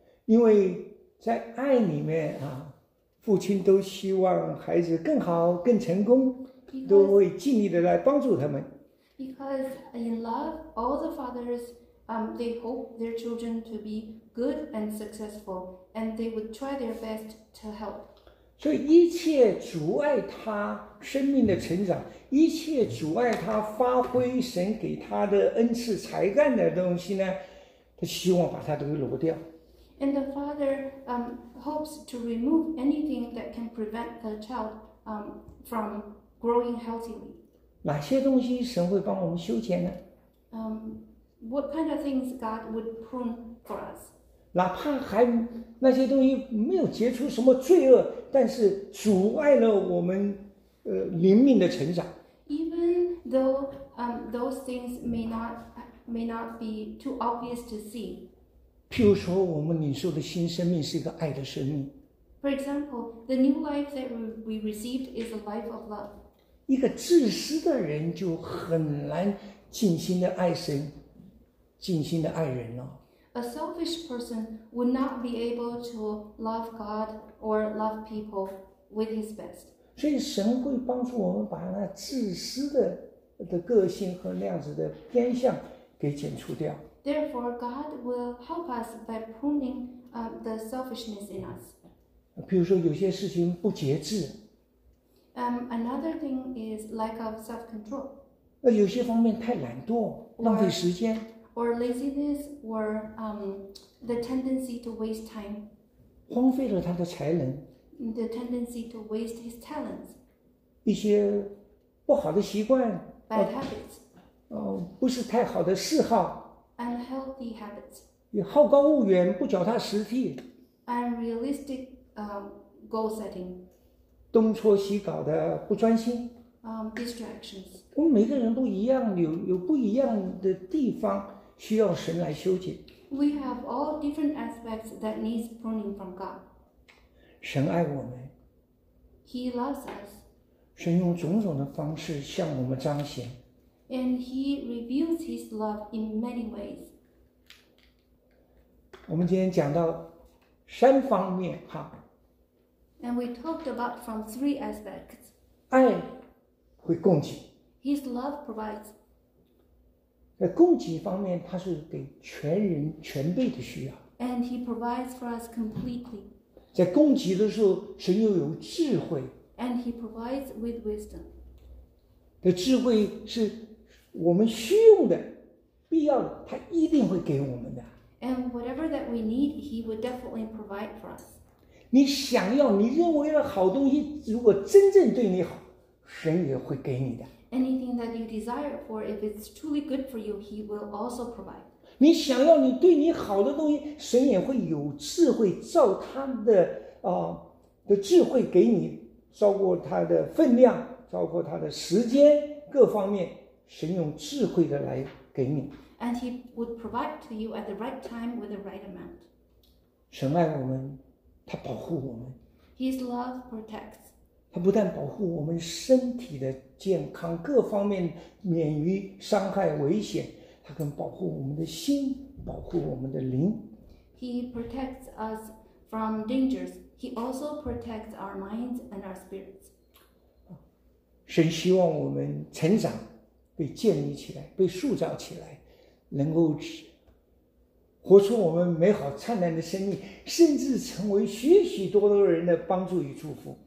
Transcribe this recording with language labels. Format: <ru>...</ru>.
<zh>因为在爱里面啊，父亲都希望孩子更好、更成功，都会尽力的来帮助他们。</zh> <en>Because in love, all the fathers they hope their children to be good and successful, and they would try their best to help.</en> <zh>所以一切阻碍他生命的成长，一切阻碍他发挥神给他的恩赐才干的东西呢，他希望把它都挪掉。</zh> <en>And the father hopes to remove anything that can prevent the child from growing healthily.</en> <zh>哪些东西神会帮我们修剪呢？</zh> <en>What kind of things God would prune for us?</en> <zh>哪怕还那些东西没有结出什么罪恶，但是阻碍了我们灵命的成长。</zh> <en>Even though those things may not be too obvious to see.</en> <zh>譬如说，我们领受的新生命是一个爱的生命。</zh> <en>For example, the new life that we received is a life of love.</en> <zh>一个自私的人就很难尽心的爱神，尽心的爱人了。</zh> <en>A selfish person would not be able to love God or love people with his best.</en> <zh>所以神会帮助我们把那自私 的个性和那样子的偏向给剪除掉。</zh> <en>Therefore, God will help us by pruning the selfishness in us.</en> <zh>比如说有些事情不节制。</zh> <en>Another thing is lack of self-control.</en> <zh>那有些方面太懒惰，浪费时间。</zh> <en>Or laziness, or the tendency to waste time.</en> <zh>荒废了他的才能。</zh> <en>The tendency to waste his talents.</en> <zh>一些不好的习惯。</zh> <en>Bad habits.</en> <zh>不是太好的嗜好。</zh> <en>Unhealthy habits.</en> <zh>好高骛远，不脚踏实地。</zh> <en>Unrealistic goal setting.</en> <zh>东搓西搞的不专心。</zh> <en>Distractions.</en> <zh>我们每个人不一样，有不一样的地方需要神来修剪。</zh> <en>We have all different aspects that needs pruning from God.</en> <zh>神爱我们。</zh> <en>He loves us.</en> <zh>神用种种的方式向我们彰显。</zh> <en>And He reveals His love in many ways.</en> <zh>我们今天讲到三方面哈。</zh> <en>And we talked about from three aspects.</en> <zh>爱会供给。</zh> <en>His love provides.</en> <zh>在供给方面，它是给全人全备的需要。</zh> <en>And He provides for us completely.</en> <zh>在供给的时候，神又有智慧。</zh> <en>And He provides with wisdom.</en> <zh>的智慧是我们需用的、必要的，他一定会给我们的。</zh> <en>And whatever that we need, He would definitely provide for us.</en> <zh>你想要、你认为的好东西，如果真正对你好，神也会给你的。</zh> <en>Anything that you desire for, if it's truly good for you, He will also provide.</en> <zh>你想要你对你好的东西，神也会有智慧，照他的的智慧给你，照顾他的分量，照顾他的时间，各方面神用智慧的来给你。</zh> <en>And he would provide to you at the right time with the right amount.</en> <zh>神爱我们，他保护我们。</zh> <en>His love protects.</en> <zh>他不但保护我们身体的健康，各方面免于伤害危险，他更保护我们的心，保护我们的灵。</zh> <en>He protects us from dangers. He also protects our minds and our spirits.</en> <zh>神希望我们成长，被建立起来，被塑造起来，能够活出我们美好灿烂的生命，甚至成为许许多多人的帮助与祝福。</zh>